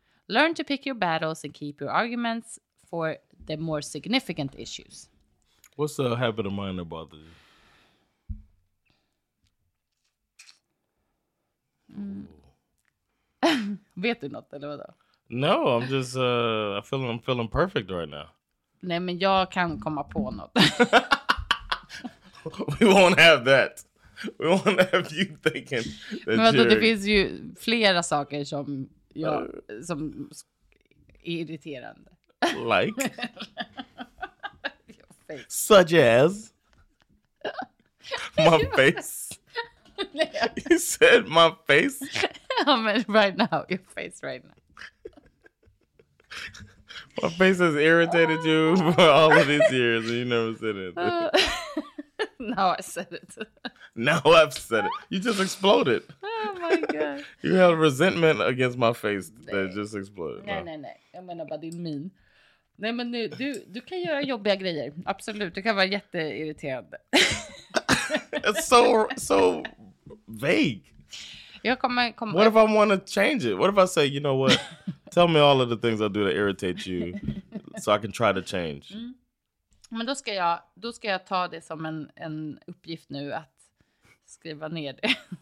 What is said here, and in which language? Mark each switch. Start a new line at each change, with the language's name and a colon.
English: Learn to pick your battles and keep your arguments for the more significant issues. What's a habit of mine that bothers you?
Swedish: Mm. Vet du något eller vadå?
English: No, I'm just I'm feeling perfect right now.
Swedish: Nej, men jag kan komma på något.
English: We won't have that. We won't have you thinking that.
Swedish: Men det finns ju flera saker som jag som är irriterande.
English: Like. Such as my face. You said my face. Right now, your face right now. My face has irritated you for all of these years and you never said it. Now I said it. Now I've said it. You just exploded. Oh my You have resentment against my face that just exploded.
Swedish: Nej, nej, nej. Jag menar bara din min. Nej, men nu, du kan göra jobbiga grejer. Absolut, du kan vara jätteirriterande.
English: It's so vague.
Swedish: Jag kommer,
English: What if I want to change it? What if I say, you know what? Tell me all of the things I do that irritate you so I can try to change. Mm.
Swedish: Men då ska jag ta det som en uppgift nu att skriva ner det.